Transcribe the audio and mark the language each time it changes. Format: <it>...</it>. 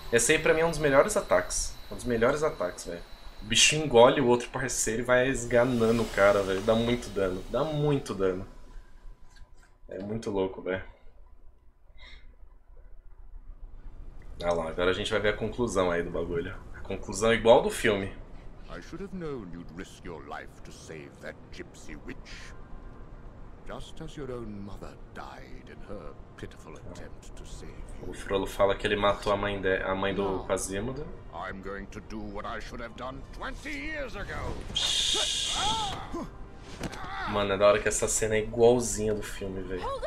<pt>Esse aí pra mim é um dos melhores ataques. Um dos melhores ataques, velho. O bicho engole o outro parceiro e vai esganando o cara, velho. Dá muito dano. Dá muito dano. É muito louco, velho. Olha lá, agora a gente vai ver a conclusão aí do bagulho. A conclusão é igual ao do filme. Eu deveria ter sabido que você riscaria sua vida para salvar aquela</pt> <en>gypsy witch. Just as your own mother died in her pitiful attempt to save you.</en> <pt>O Frollo fala que ele matou a mãe, a mãe do Quasimodo.</pt> <en>I'm going to do what I should have done 20 years ago.</en> <pt>Mano, é da hora que essa cena é igualzinha do filme, velho.</pt>